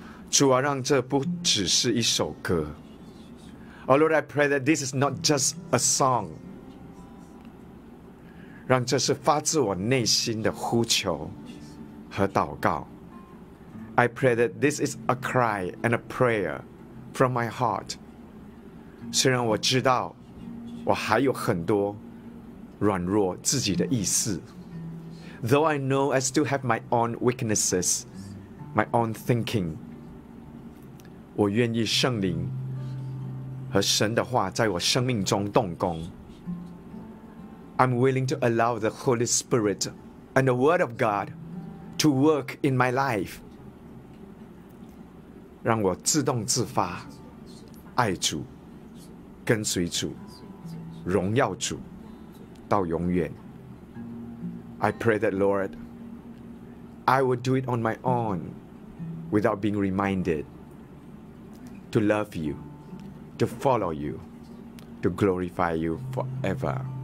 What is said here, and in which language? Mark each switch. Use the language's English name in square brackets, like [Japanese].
[Chinese] 主啊，让这不只是一首歌。 [English] Oh Lord, I pray that this is not just a song。 [Chinese] 让这是发自我内心的呼求和祷告。 [English] I pray that this is a cry and a prayer from my heart。 [Chinese] 虽然我知道我还有很多软弱自己的意思， [English] Though I know I still have my own weaknesses, my own thinking, [Chinese] 我愿意圣灵和神的话在我生命中动工。 [English] I'm willing to allow the Holy Spirit and the Word of God to work in my life. [Chinese] 让我自动自发爱主，跟随主，荣耀主到永远。 [English] I pray that, Lord, I would do it on my own without being reminded to love you, to follow you, to glorify you forever.